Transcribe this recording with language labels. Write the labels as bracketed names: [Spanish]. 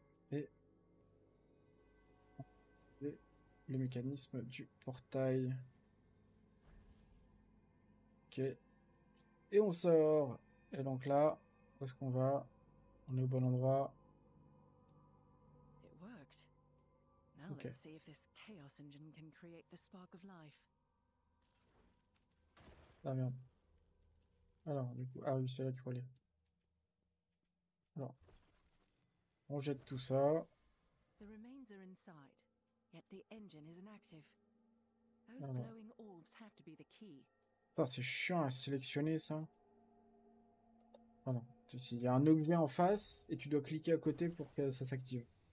[French] Et le mécanisme du portail. Ok. Et on sort. Et donc là, où est-ce qu'on va? On est au bon endroit. [English] Okay. Let's see if this chaos engine can create the spark of life. [French] Ah merde. Alors, du coup, ah oui, c'est là qu'il faut aller. Alors, on jette tout ça. [English] The remains are inside, yet the engine is inactive. Those glowing orbs have to be the key. [French] Putain, c'est chiant à sélectionner ça. Ah non, il y a un objet en face et tu dois cliquer à côté pour que ça s'active.